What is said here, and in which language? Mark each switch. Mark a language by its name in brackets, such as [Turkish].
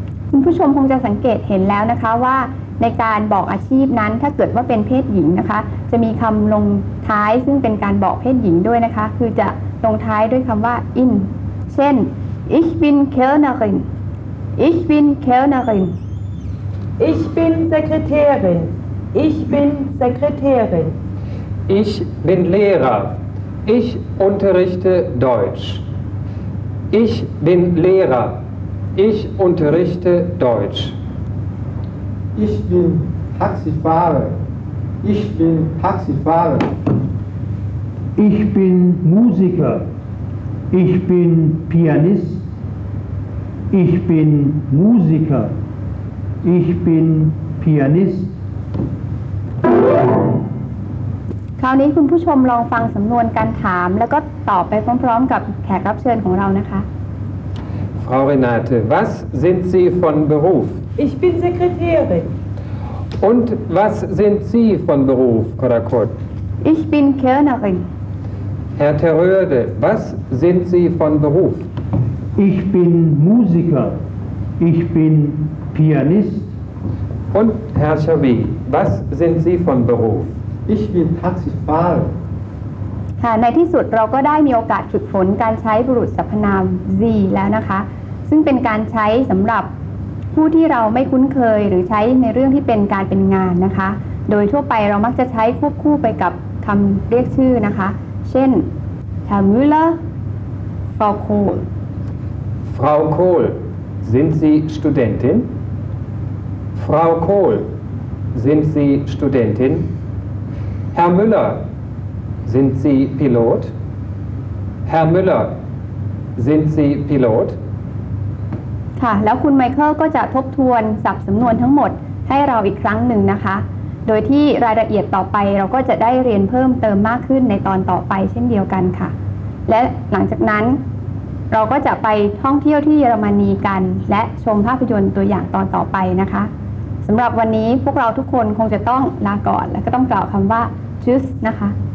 [Thai] คุณผู้ชมคงจะสังเกตเห็นแล้วนะคะว่าในการบอกอาชีพนั้นถ้าเกิดว่าเป็นเพศหญิงนะคะจะมีคำลงท้ายซึ่งเป็นการบอกเพศหญิงด้วยนะคะคือจะลงท้ายด้วยคำว่า inเช่น [German] Ich bin Kellnerin Ich bin Kellnerin Ich bin Sekretärin Ich bin Sekretärin Ich bin Lehrer Ich unterrichte Deutsch Ich bin Lehrer Ich unterrichte Deutsch Ich bin Taxifahrer Ich bin Taxifahrer Ich bin MusikerIch bin Pianist. Ich bin Musiker. Ich bin Pianist. [Thai] คราวนี้คุณผู้ชมลองฟังสำนวนการถามแล้วก็ตอบไปพร้อมๆกับแขกรับเชิญของเรานะคะ [German] Frau Renate, was sind Sie von Beruf? Ich bin Sekretärin. Und was sind Sie von Beruf, Korakot? Ich bin Kellnerin. Herr Terröde, was sind Sie von Beruf? Ich bin Musiker. Ich bin Pianist. Und Herr Schabi, was sind Sie von Beruf? Ich bin Taxifahrer. [Thai] ค่ะ ในที่สุดเราก็ได้มีโอกาสฝึกฝนการใช้บุรุษสรรพนาม Sie แล้วนะคะ ซึ่งเป็นการใช้สำหรับผู้ที่เราไม่คุ้นเคยหรือใช้ในเรื่องที่เป็นการเป็นงานนะคะโดยทั่วไปเรามักจะใช้ควบคู่ไปกับคำเรียกชื่อนะคะเช่นฮาร์มูลเลอร์ฟราวโคล [German] Frau Kohl sind Sie Studentin Frau Kohl sind Sie Studentin Herr Müller sind Sie Pilot Herr Müller sind Sie Pilot [Thai] ค่ะแล้วคุณไมเคิลก็จะทบทวนศัพท์สำนวนทั้งหมดให้เราอีกครั้งหนึ่งนะคะโดยที่รายละเอียดต่อไปเราก็จะได้เรียนเพิ่มเติมมากขึ้นในตอนต่อไปเช่นเดียวกันค่ะและหลังจากนั้นเราก็จะไปท่องเที่ยวที่เยอรมนีกันและชมภาพยนตร์ตัวอย่างตอนต่อไปนะคะสำหรับวันนี้พวกเราทุกคนคงจะต้องลาก่อนและก็ต้องกล่าวคำว่าจูสนะคะ